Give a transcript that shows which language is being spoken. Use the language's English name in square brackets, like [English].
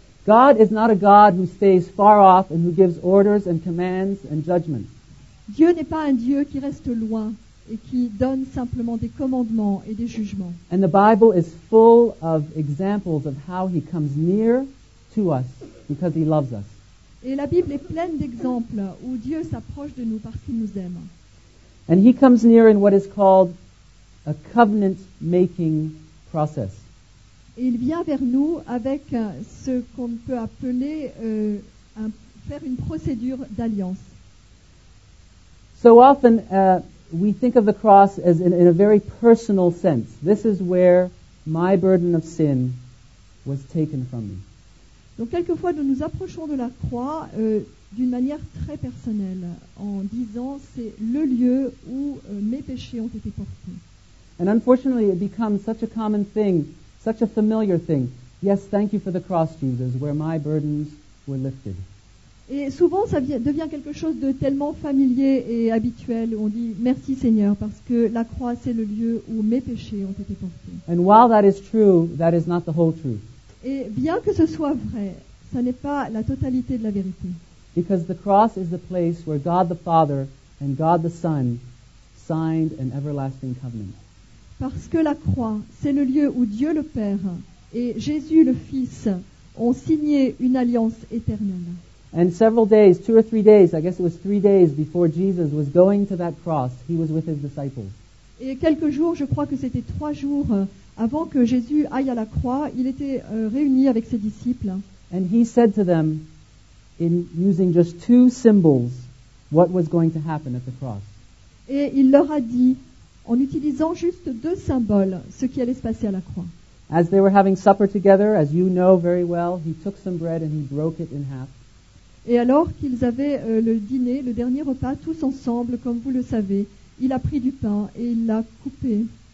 [English] God is not a God who stays far off and who gives orders and commands and judgments. [French] Dieu n'est pas un Dieu qui reste loin et qui donne simplement des commandements et des jugements. [English] And the Bible is full of examples of how he comes near to us because he loves us. [French] Et la Bible est pleine d'exemples où Dieu s'approche de nous parce qu'il nous aime. [English] And he comes near in what is called a covenant-making process. [French] Il vient vers nous avec ce qu'on peut appeler faire une procédure d'alliance. [English] So often we think of the cross as in a very personal sense. This is where my burden of sin was taken from me. [French] Donc quelquefois nous nous approchons de la croix d'une manière très personnelle en disant c'est le lieu où mes péchés ont été portés. [English] And unfortunately it becomes such a common thing. Such a familiar thing. Yes, thank you for the cross, Jesus, where my burdens were lifted. [French] Et souvent, ça devient quelque chose de tellement familier et habituel. On dit merci, Seigneur, parce que la croix, c'est le lieu où mes péchés ont été portés. [English] And while that is true, that is not the whole truth. [French] Et bien que ce soit vrai, ça n'est pas la totalité de la vérité. [English] Because the cross is the place where God the Father and God the Son signed an everlasting covenant. [French] Parce que la croix, c'est le lieu où Dieu le Père et Jésus le Fils ont signé une alliance éternelle. [English] And several days, two or three days, I guess it was three days before Jesus was going to that cross, he was with his disciples. [French] Et quelques jours, je crois que c'était trois jours avant que Jésus aille à la croix, il était réuni avec ses disciples. [English] And he said to them, in using just two symbols, what was going to happen at the cross. [French] Et il leur a dit, en utilisant juste deux symboles, ce qui allait se passer à la croix. [English] As they were having supper together, as you know very well, he took some bread and he broke it in half. [French] Et alors qu'ils avaient le dîner, le dernier repas, tous ensemble, comme vous le savez, il a pris du pain et il l'a coupé.